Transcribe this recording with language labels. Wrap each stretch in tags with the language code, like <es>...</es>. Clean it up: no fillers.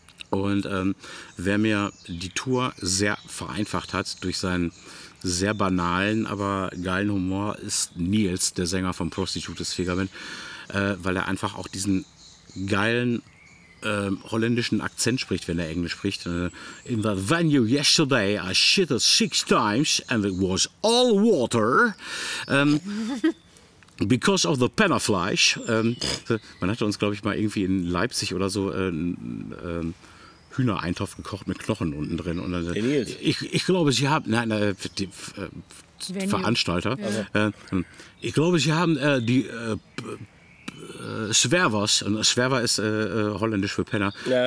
<de>Und wer mir die Tour sehr vereinfacht hat durch seinen sehr banalen, aber geilen Humor, ist Nils, der Sänger von Prostitutes Figament, weil er einfach auch diesen geilen holländischen Akzent spricht, wenn er Englisch spricht.</de> <en>In the venue yesterday I shitted 6 times and it was all water because of the Pennerfleisch.</en> <de>Man hatte uns, glaube ich, mal irgendwie in Leipzig oder so Hühnereintopf gekocht mit Knochen unten drin. Und dann, ich glaube, sie haben... Nein, die Veranstalter. Ja. Ich glaube, sie haben die... Schwerwas, und Schwerwas ist holländisch für Penner, ja.</de>